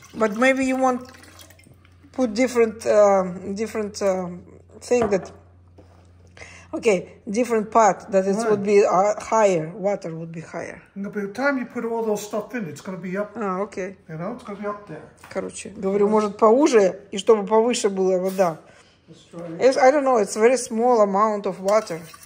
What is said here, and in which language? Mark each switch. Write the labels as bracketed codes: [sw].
[en] But maybe you want put different thing that... Okay, different pot that it would be higher, water would be higher. No, by the time you put all those stuff in, it's going to be up. Ah, okay. You know, it's going to be up there. [ru] Короче, говорю, может поуже, и чтобы повыше была вода. [en] It's, I don't know, it's a very small amount of water.